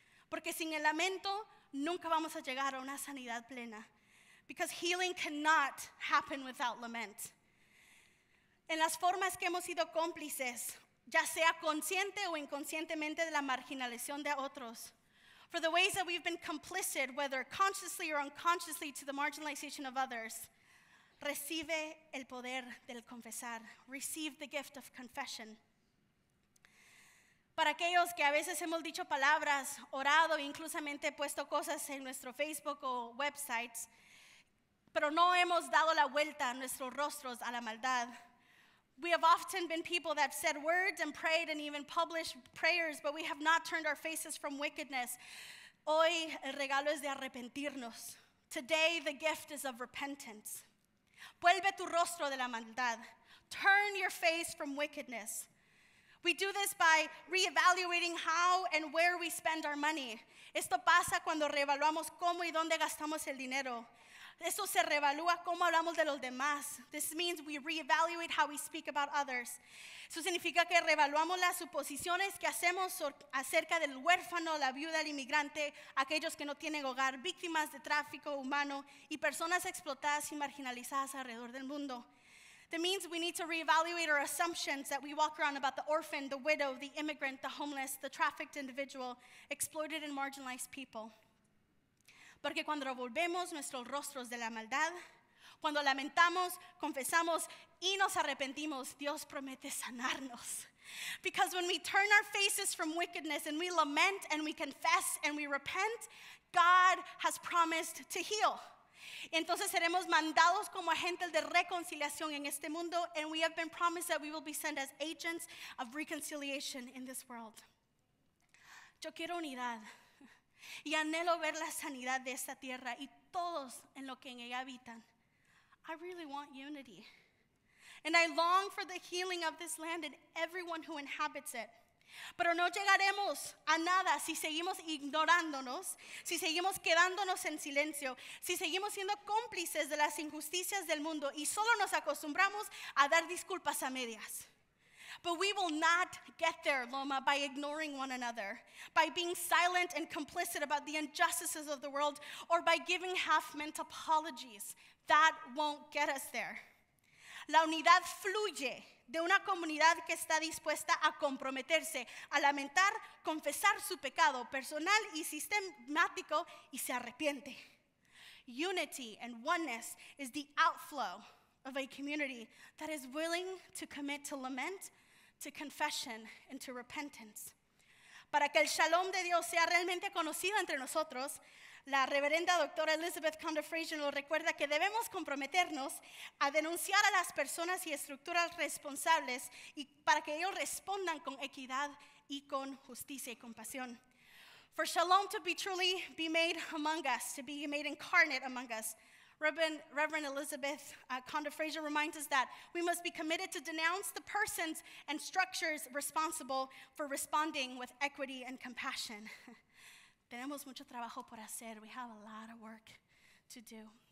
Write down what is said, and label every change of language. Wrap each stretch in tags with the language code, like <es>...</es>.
<es>Porque sin el lamento, nunca vamos a llegar a una sanidad plena.</es> <en>Because healing cannot happen without lament.</en> <es>En las formas que hemos sido cómplices, ya sea consciente o inconscientemente de la marginalización de otros.</es> <en>For the ways that we've been complicit, whether consciously or unconsciously, to the marginalization of others.</en> <es>Recibe el poder del confesar.</es> <en>Receive the gift of confession.</en> <es>Para aquellos que a veces hemos dicho palabras, orado, inclusamente puesto cosas en nuestro Facebook o websites, pero no hemos dado la vuelta a nuestros rostros a la maldad.</es> <en>We have often been people that have said words and prayed and even published prayers, but we have not turned our faces from wickedness.</en> <es>Hoy el regalo es de arrepentirnos.</es> <en>Today the gift is of repentance.</en> <es>Vuelve tu rostro de la maldad.</es> <en>Turn your face from wickedness. We do this by reevaluating how and where we spend our money.</en> <es>Esto pasa cuando reevaluamos cómo y dónde gastamos el dinero. Esto se reevalúa cómo hablamos de los demás.</es> <en>This means we reevaluate how we speak about others.</en> <es>Eso significa que reevaluamos las suposiciones que hacemos acerca del huérfano, la viuda, el inmigrante, aquellos que no tienen hogar, víctimas de tráfico humano y personas explotadas y marginalizadas alrededor del mundo.</es> <en>That means we need to reevaluate our assumptions that we walk around about the orphan, the widow, the immigrant, the homeless, the trafficked individual, exploited and marginalized people.</en> <es>Porque cuando volvemos nuestros rostros de la maldad, cuando lamentamos, confesamos y nos arrepentimos, Dios promete sanarnos.</es> <en>Because when we turn our faces from wickedness and we lament and we confess and we repent, God has promised to heal.</en> <es>Entonces seremos mandados como agentes de reconciliación en este mundo,</es> <en>and we have been promised that we will be sent as agents of reconciliation in this world.</en> <es>Yo quiero unidad y anhelo ver la sanidad de esta tierra y todos en lo que en ella habitan.</es> <en>I really want unity, and I long for the healing of this land and everyone who inhabits it.</en> <es>Pero no llegaremos a nada si seguimos ignorándonos, si seguimos quedándonos en silencio, si seguimos siendo cómplices de las injusticias del mundo y solo nos acostumbramos a dar disculpas a medias.</es> <en>But we will not get there, Loma, by ignoring one another, by being silent and complicit about the injustices of the world, or by giving half-meant apologies. That won't get us there.</en> <es>La unidad fluye de una comunidad que está dispuesta a comprometerse, a lamentar, confesar su pecado personal y sistemático y se arrepiente.</es> <en>Unity and oneness is the outflow of a community that is willing to commit to lament, to confession, and to repentance.</en> <es>Para que el shalom de Dios sea realmente conocido entre nosotros, la reverenda doctora Elizabeth Conder Frazier nos recuerda que debemos comprometernos a denunciar a las personas y estructuras responsables y para que ellos respondan con equidad y con justicia y compasión.</es> <en>For shalom to be truly be made among us, to be made incarnate among us, Reverend Elizabeth Conda Fraser reminds us that we must be committed to denounce the persons and structures responsible for responding with equity and compassion.</en> <es>Tenemos mucho trabajo por hacer.</es> <en>We have a lot of work to do.</en>